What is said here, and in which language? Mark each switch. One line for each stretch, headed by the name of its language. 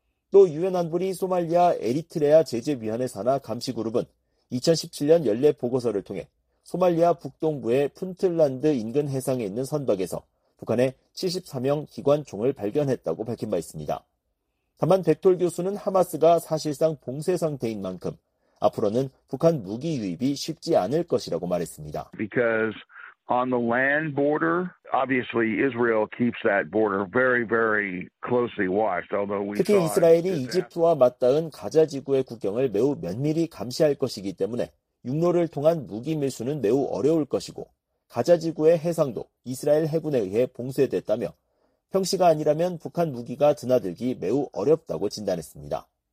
Korean: 또 유엔 안보리 소말리아 에리트레아 제재위원회 산하 감시그룹은 2017년 연례보고서를 통해 소말리아 북동부의 푼틀란드 인근 해상에 있는 선박에서 북한의 74명 기관총을 발견했다고 밝힌 바 있습니다. 다만 백돌 교수는 하마스가 사실상 봉쇄 상태인 만큼 앞으로는 북한 무기 유입이 쉽지 않을 것이라고 말했습니다.
English: Because on the land border, obviously Israel keeps that border very, very closely watched. Although we
Korean: 특히 이스라엘이 이집트와 맞닿은 가자 지구의 국경을 매우 면밀히 감시할 것이기 때문에 육로를 통한 무기 밀수는 매우 어려울 것이고 가자 지구의 해상도 이스라엘 해군에 의해 봉쇄됐다며 평시가 아니라면 북한 무기가 드나들기 매우 어렵다고 진단했습니다.